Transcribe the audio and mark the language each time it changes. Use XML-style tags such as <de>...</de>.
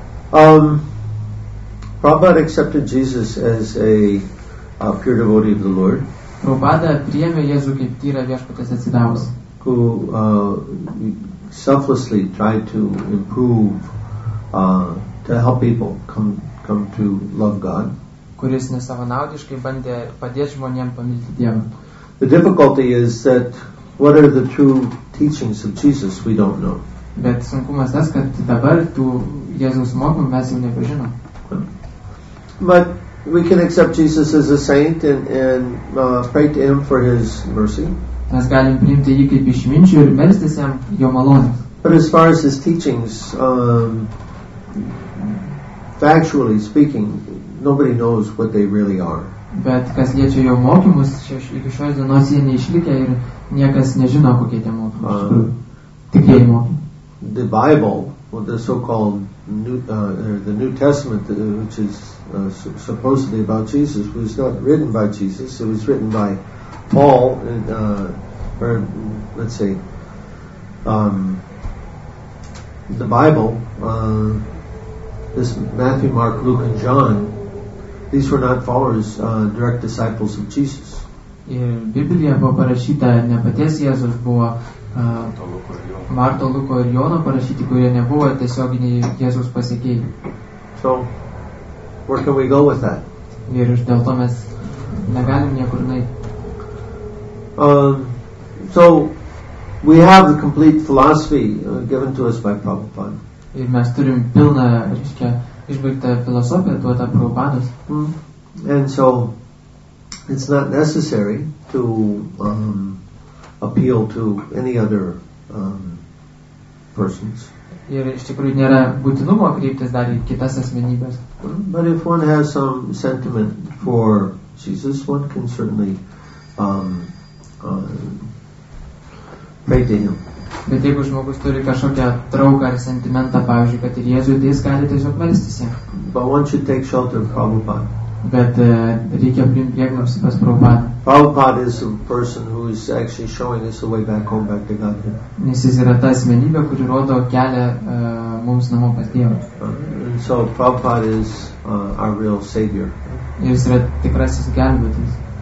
<en>Prabhupada accepted Jesus as a pure devotee of the Lord.</en> <lt>Prabhupada priėmė Jėzų kaip tyrą viešpaties atsidavus.</lt> <en>Who selflessly tried to improve to help people come to love God.</en> <lt>Kuris nesavanaudiškai bandė padėti žmonėm pamilti Dievą.</lt> <en>The difficulty is that what are the true teachings of Jesus we don't know.</en> <lt>Bet sunkumas tas, kad dabar tų Jėzaus mokymų mes jau nepažinom.</lt> <en>But we can accept Jesus as a saint and pray to him for his mercy.</en> <lt>Mes galim priimti jį kaip išminčių ir melstis jam jo malonės.</lt> <en>But as far as his teachings, factually speaking, nobody knows what they really are.</en> <lt>Bet kas liečia jo mokymus, iki šios dienos jie neišlikę ir niekas nežino, kokie tie mokymai. Tikėjai mokymai.</lt> <en>The Bible, or the so-called New Testament, which is supposedly about Jesus, was not written by Jesus. It was written by Paul, the Bible, this Matthew, Mark, Luke, and John, these were not followers, direct disciples of Jesus.</en> <lt>Ir Biblija buvo parašyta ne paties Jėzus, buvo Marto, Luko ir Jono parašyti, kurie nebuvo tiesioginiai Jėzaus pasiekėjai.</lt> <en>So, where can we go with that?</en> <lt>Ir dėl to mes negalim niekur nueiti.</lt> <en>So, we have the complete philosophy given to us by Prabhupada.</en> <lt>Ir mes turim pilną, reiškia, išbaigtą filosofiją duotą Prabhupados.</lt> <en>And so, it's not necessary to appeal to any other persons.</en> <lt>Ir iš tikrųjų nėra būtinumo kreiptis dar į kitas asmenybes.</lt> <en>But if one has some sentiment for Jesus, one can certainly pray to him.</en> <lt>Bet jeigu žmogus turi kažkokią trauką ar sentimentą, pavyzdžiui, kad ir Jėzui, tai jis gali tiesiog melstis jam.</lt> <en>But one should take shelter of Prabhupada.</en> <lt>Bet reikia priimti prieglobstį pas Prabhupada.</lt> <en>Prabhupada is a person who is actually showing us the way back home, back to Godhead.</en> <lt>Nes jis yra ta asmenybė, kuri rodo kelią mums namo pas Dievą.</lt> <en>So Prabhupada is our real savior.</en> <lt>Jis yra tikrasis gelbėtojas.</lt>